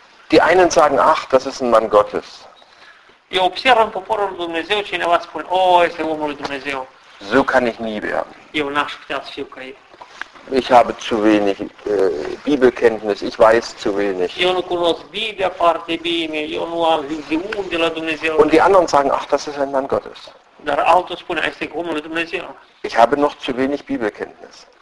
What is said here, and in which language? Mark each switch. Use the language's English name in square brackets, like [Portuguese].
[German] Die einen sagen, ach, das ist ein Mann Gottes. [Romanian] Eu observ în poporul Dumnezeu, cineva spune, este omul lui Dumnezeu. [German] So kann ich nie werden. [Romanian] Eu n-aș putea să fiu ca ei. [German] Ich habe zu wenig Bibelkenntnis, ich weiß zu wenig. [Romanian] Eu nu cunosc Biblia foarte bine, eu nu am viziune de la Dumnezeu. [German] Und die anderen sagen, ach, das ist ein Mann Gottes. [Romanian] Dar altul spune, este omul lui Dumnezeu. [German] Ich habe noch zu wenig Bibelkenntnis.